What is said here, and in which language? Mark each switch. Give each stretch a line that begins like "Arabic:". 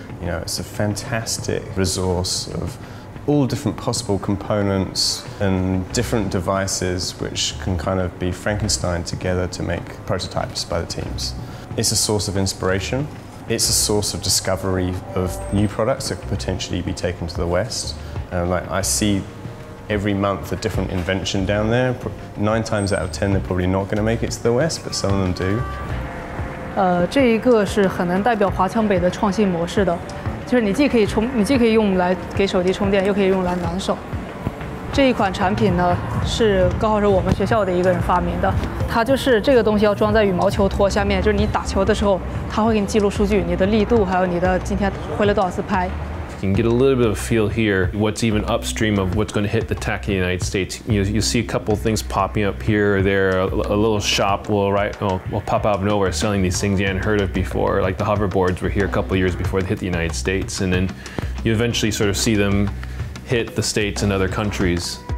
English: You know, it's a fantastic resource of all different possible components and different devices which can kind of be Frankenstein together to make prototypes by the teams. It's a source of inspiration. It's a source of discovery of new products that could potentially be taken to the West. And like, I see every month a different invention down there. 9 times out of 10, they're probably not going to make it to the West, but some of them do.
Chinese: 这一个是很能代表华强北的创新模式的，就是你既可以用来给手机充电，又可以用来暖手。这一款产品呢，是刚好是我们学校的一个人发明的。它就是这个东西要装在羽毛球托下面，就是你打球的时候，它会给你记录数据，你的力度，还有你的今天挥了多少次拍。
English: You can get a little bit of feel here, what's even upstream of what's going to hit the tacky United States. You see a couple of things popping up here or there. A little shop will pop out of nowhere selling these things you hadn't heard of before. Like the hoverboards were here a couple of years before they hit the United States. And then you eventually sort of see them hit the States and other countries.